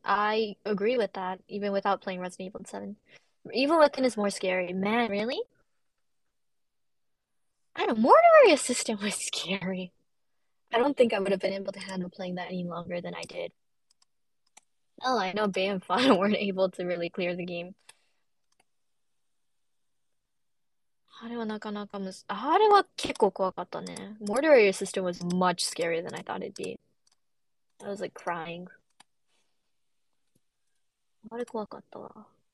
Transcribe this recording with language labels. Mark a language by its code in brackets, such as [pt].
[en] I agree with that, even without playing Resident Evil 7. Evil Within is more scary. Man, really? I don't know, Mortuary Assistant was scary. I don't think I would have been able to handle playing that any longer than I did. Oh, I know Bay and Fauna weren't able to really clear the game. [ja] あれはなかなかむす、あれは結構怖かったね。 [en] Mortuary Assistant was much scarier than I thought it'd be. I was like crying. [ja] あれ怖かったわ。